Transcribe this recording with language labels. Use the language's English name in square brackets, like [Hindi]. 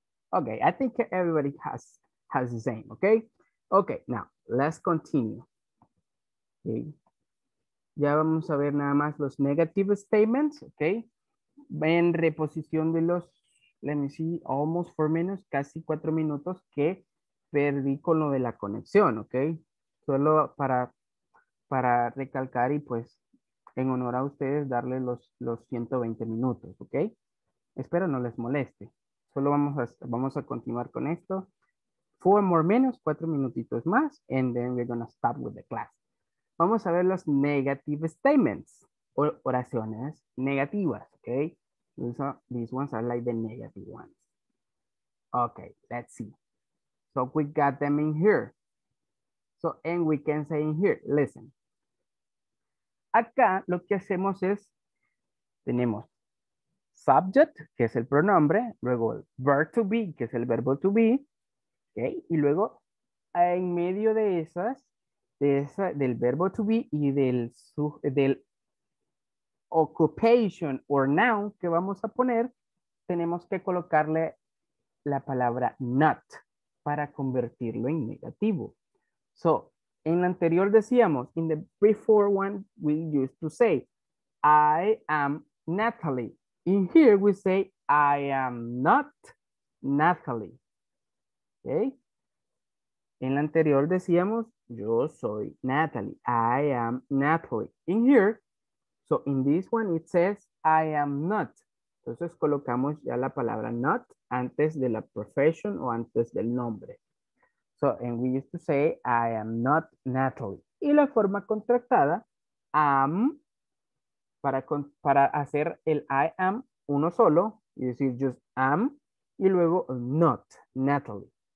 [English] Okay, I think everybody has the same, okay? Okay, now, let's continue. Okay. [Spanish] Ya vamos a ver nada más los negative statements, okay? En reposición de los, [English] let me see, almost 4 minutes, [Spanish] casi 4 minutos que perdí con lo de la conexión, okay? Solo para recalcar y pues, en honor a ustedes, darle los 120 minutos, okay? Espero no les moleste. Solo vamos a continuar con esto. [English] 4 more minutes, [Spanish] 4 minutitos más, [English] and then we're going to stop with the class. [Spanish] Vamos a ver los negative statements, oraciones negativas, okay? [English] These ones are like the negative ones. Okay, let's see. So we got them in here. So, and we can say in here, listen. [Spanish] Acá lo que hacemos es, tenemos, subject, que es el pronombre, luego el verb to be, que es el verbo to be, okay? Y luego en medio de esas, del verbo to be y del occupation or noun que vamos a poner, tenemos que colocarle la palabra not para convertirlo en negativo. [English] So, [Spanish] en la anterior decíamos, [English] in the before one, we used to say, I am Natalie. In here, we say, I am not Natalie, okay? [Spanish] En la anterior decíamos, yo soy Natalie, [English] I am Natalie. In here, so in this one, it says, I am not. [Spanish] Entonces, colocamos ya la palabra not antes de la profession o antes del nombre. [English] So, and we used to say, I am not Natalie. [Spanish] Y la forma contractada, am para hacer el I am uno solo, y decir just am, y luego not, Natalie.